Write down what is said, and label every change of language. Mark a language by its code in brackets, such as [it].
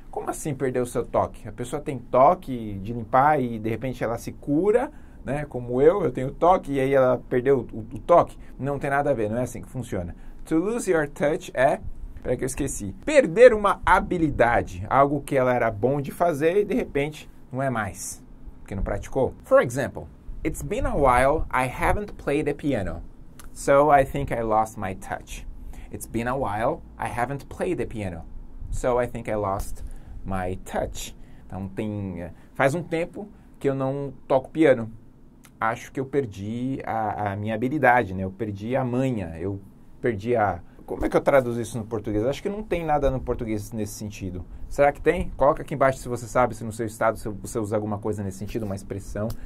[pt] Como assim perder o seu toque? A pessoa tem toque de limpar e de repente ela se cura, né? Como eu tenho toque e aí ela perdeu o toque. Não tem nada a ver, não é assim que funciona. [en] To lose your touch [pt] é... Peraí que eu esqueci. Perder uma habilidade, algo que ela era bom de fazer e de repente não é mais, porque não praticou. [en] For example, it's been a while I haven't played the piano, so I think I lost my touch. It's been a while I haven't played the piano, so I think I lost my touch. [pt] Então tem... faz um tempo que eu não toco piano. Acho que eu perdi a minha habilidade, né? Eu perdi a manha, eu perdi a... Como é que eu traduzo isso no português? Acho que não tem nada no português nesse sentido. Será que tem? Coloca aqui embaixo se você sabe, se no seu estado você usa alguma coisa nesse sentido, uma expressão.